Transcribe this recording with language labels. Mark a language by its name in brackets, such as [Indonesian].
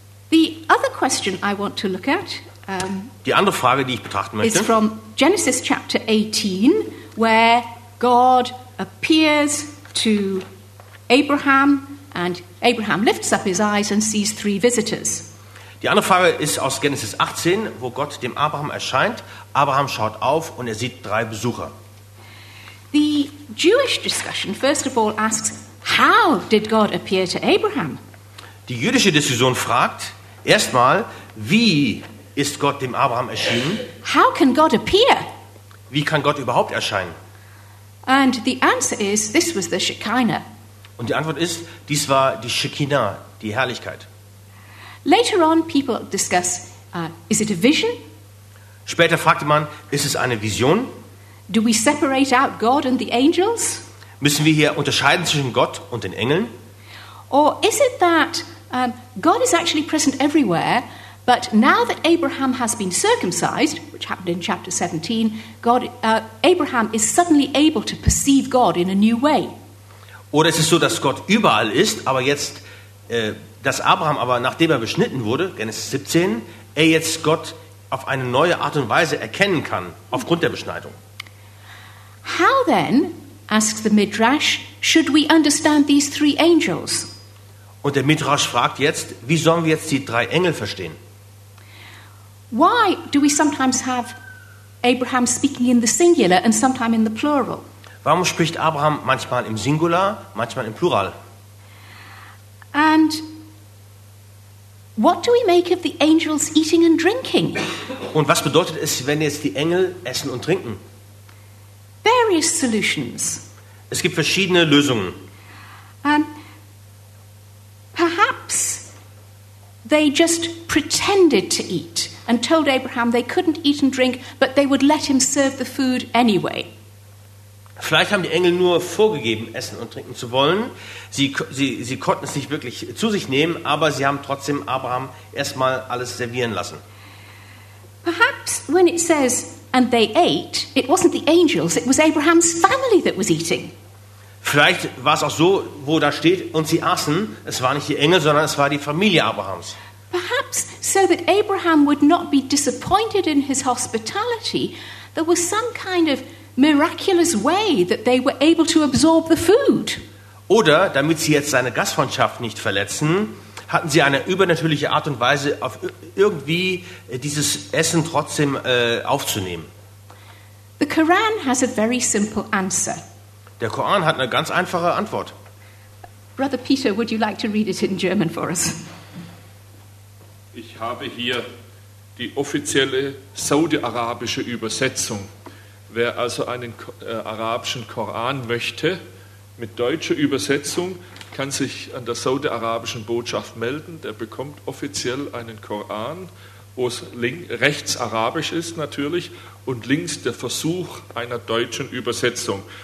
[English] The other question I want to look at, [German] die andere Frage, die ich betrachten möchte, [English] is from Genesis chapter 18, where God appears to Abraham and Abraham lifts up his eyes and sees three visitors. [German] Die andere Frage ist aus Genesis 18, wo Gott dem Abraham erscheint. Abraham schaut auf und er sieht drei Besucher. [English] The Jewish discussion first of all asks, how did God appear to Abraham? [German] Die jüdische Diskussion fragt erstmal, wie ist Gott dem Abraham erschienen? [English] How can God appear? [German] Wie kann Gott überhaupt erscheinen? [English] And the answer is, this was the Shekinah. [German] Und die Antwort ist, dies war die Shekinah, die Herrlichkeit. [English] Later on people discuss, is it a vision? [German] Später fragte man, ist es eine Vision? [English] Do we separate out God and the angels? [German] Müssen wir hier unterscheiden zwischen Gott und den Engeln? [English] Or is it that God is actually present everywhere, but now that Abraham has been circumcised, which happened in chapter 17, Abraham is suddenly able to perceive God in a new way? [German] Oder ist es so, dass Gott überall ist, aber jetzt, dass Abraham aber, nachdem er beschnitten wurde, Genesis 17, er jetzt Gott auf eine neue Art und Weise erkennen kann, aufgrund der Beschneidung? [English] How then, asks the Midrash, should we understand these three angels? [German] Und der Midrash fragt jetzt, wie sollen wir jetzt die drei Engel verstehen? [English] Why do we sometimes have Abraham speaking in the singular and sometimes in the plural? [German] Warum spricht Abraham manchmal im Singular, manchmal im Plural? [English] And what do we make of the angels eating and drinking? [German] Und was bedeutet es, wenn jetzt die Engel essen und trinken? [English] Various solutions. [German] Es gibt verschiedene Lösungen. [English] Perhaps they just pretended to eat and told Abraham they couldn't eat and drink, but they would let him serve the food anyway. [German] Vielleicht haben die Engel nur vorgegeben, essen und trinken zu wollen. Sie konnten es nicht wirklich zu sich nehmen, aber sie haben trotzdem Abraham erstmal alles servieren lassen. [English] Perhaps when it says and they ate, it wasn't the angels, it was Abraham's family that was eating. [German] Vielleicht war es auch so, wo da steht und sie aßen, es waren nicht die Engel, sondern es war die Familie Abrahams. [English] Perhaps so that Abraham would not be disappointed in his hospitality, there was some kind of miraculous way that they were able to absorb the food. [German] Oder damit sie jetzt seine Gastfreundschaft nicht verletzen, hatten sie eine übernatürliche Art und Weise, auf irgendwie dieses Essen trotzdem aufzunehmen. [English] The Quran has a very simple answer. [German] Der Koran hat eine ganz einfache Antwort. [English] Brother Peter, would you like to read it in German for us? [German] Ich habe hier die offizielle saudi-arabische Übersetzung. Wer also einen arabischen Koran möchte, mit deutscher Übersetzung, kann sich an der saudi-arabischen Botschaft melden. Der bekommt offiziell einen Koran, wo es rechts arabisch ist natürlich und links der Versuch einer deutschen Übersetzung.